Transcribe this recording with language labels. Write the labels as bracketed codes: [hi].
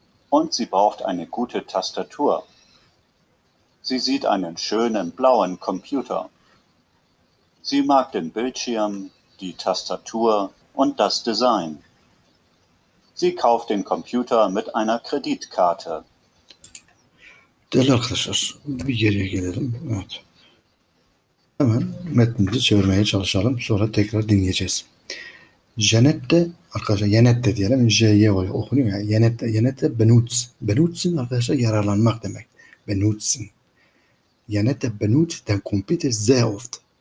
[de] Und sie braucht eine gute Tastatur. Sie sieht einen schönen blauen Computer. Sie mag den Bildschirm, die Tastatur und das Design. Sie kauft den Computer mit einer Kreditkarte. [tr] Değerli arkadaşlar, bir geriye gelelim. Evet. Hemen metnimizi çevirmeye çalışalım. Sonra tekrar dinleyeceğiz. Jeanette, arkadaşlar Jeanette diyelim. J-Y okunuyor. Yani Jeanette, Jeanette benutzt. Benutzen arkadaşlar yararlanmak demek. Benutzen. [de] Jeanette benutzt den Computer sehr oft.